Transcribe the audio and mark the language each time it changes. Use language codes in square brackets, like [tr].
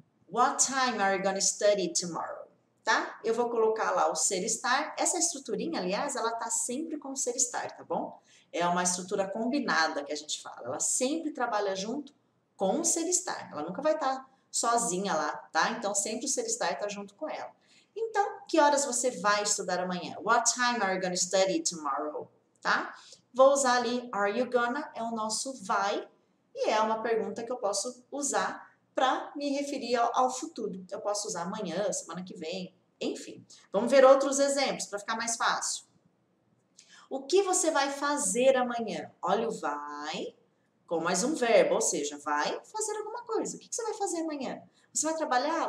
[en] What time are you going to study tomorrow? [pt] Tá? Eu vou colocar lá o ser estar. Essa estruturinha, aliás, ela está sempre com o ser estar, tá bom? é uma estrutura combinada que a gente fala. Ela sempre trabalha junto com o ser estar. Ela nunca vai estar sozinha lá, tá? Então, sempre o ser estar está junto com ela. Então, que horas você vai estudar amanhã? [en] What time are you going to study tomorrow? [pt] Tá? Vou usar ali, [en] are you gonna? [pt] É o nosso vai. E é uma pergunta que eu posso usar para me referir ao futuro. Eu posso usar amanhã, semana que vem, enfim. Vamos ver outros exemplos para ficar mais fácil. O que você vai fazer amanhã? Olha o vai com mais um verbo, ou seja, vai fazer alguma coisa. O que você vai fazer amanhã? Você vai trabalhar?